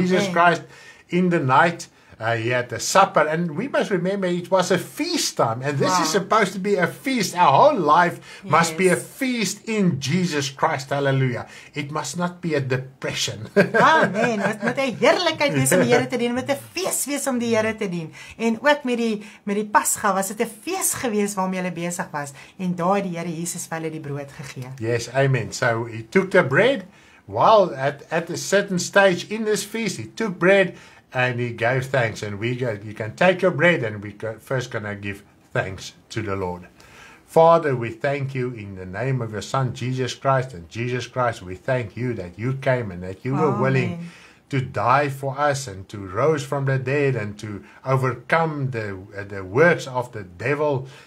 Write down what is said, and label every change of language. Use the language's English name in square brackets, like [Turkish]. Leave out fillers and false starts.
[English] Jesus Christ in the night, he had the supper, and we must remember it was a feast time, and this is supposed to be a feast. Our whole life must be a feast in Jesus Christ. Hallelujah. It must not be a depression. Amen. [Afrikaans] Dit moet 'n heerlikheid wees om die Here te dien, met 'n fees wees om die Here te dien. En ook met die Pasga was dit 'n fees gewees waarmee hulle besig was, en daar het die Here Jesus vir hulle die brood gegee. [English] Yes, amen. So he took the bread while at a certain stage in this feast, he took bread and he gave thanks, and you can take your bread, and we first gonna give thanks to the Lord. Father, we thank you in the name of your Son Jesus Christ, and Jesus Christ, we thank you that you came and that you were willing to die for us and to rose from the dead and to overcome the works of the devil.